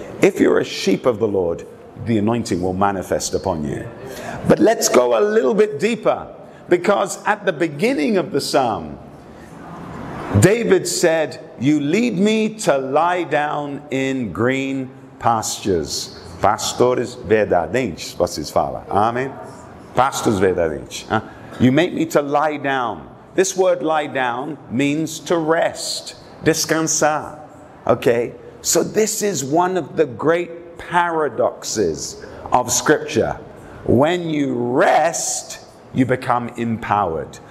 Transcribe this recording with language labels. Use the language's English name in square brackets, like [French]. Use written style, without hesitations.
[English] If you're a sheep of the Lord, the anointing will manifest upon you. But let's go a little bit deeper, because at the beginning of the psalm, David said, "You lead me to lie down in green pastures." [Portuguese] Pastores verdadeiros, vocês falam. Amém? Pastores verdadeiros. [English] You make me to lie down. This word lie down means to rest, descansar. Okay? So this is one of the great paradoxes of Scripture. When you rest, you become empowered.